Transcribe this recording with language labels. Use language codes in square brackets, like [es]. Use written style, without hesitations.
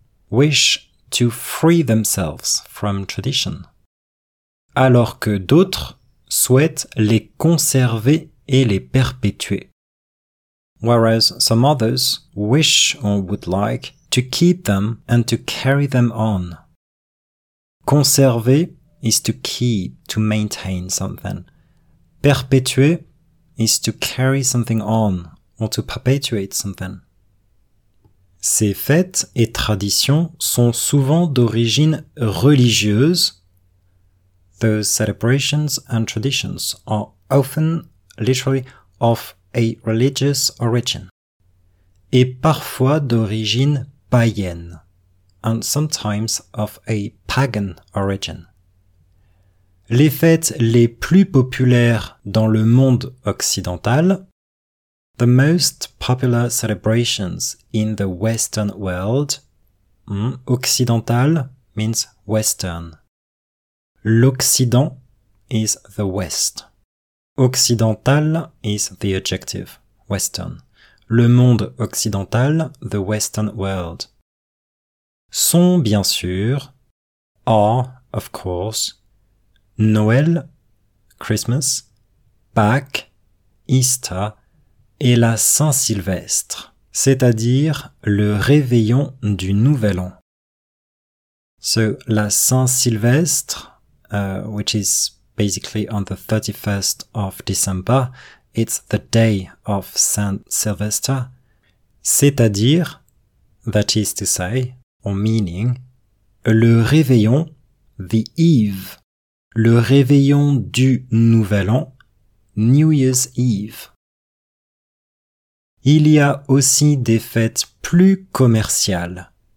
[en] Wish to free themselves from tradition. [fr] Alors que d'autres souhaitent les conserver et les perpétuer. [en] Whereas some others wish or would like to keep them and to carry them on. Conserver is to keep, to maintain something. Perpétuer is to carry something on or to perpetuate something. [fr] Ces fêtes et traditions sont souvent d'origine religieuse. [en] Those celebrations and traditions are often literally of a religious origin. [fr] Et parfois d'origine païenne. [en] And sometimes of a pagan origin. [fr] Les fêtes les plus populaires dans le monde occidental. [en] The most popular celebrations in the Western world. Occidental means Western. L'Occident is the West. Occidental is the adjective, Western. [fr] Le monde occidental, [en] the Western world. [fr] Sont, bien sûr, [en] are, of course, [fr] Noël, [en] Christmas, [fr] Pâques, [en] Easter, [fr] et la Saint-Sylvestre. c'est-à-dire le réveillon du nouvel an. [en] So, la Saint-Sylvestre, which is basically on the 31st of December, it's the day of Saint Sylvester, [fr] c'est-à-dire, [en] that is to say, or meaning, [fr] le réveillon, [en] the eve, [fr] le réveillon du nouvel an, [en] New Year's Eve. [fr] Il y a aussi des fêtes plus commerciales.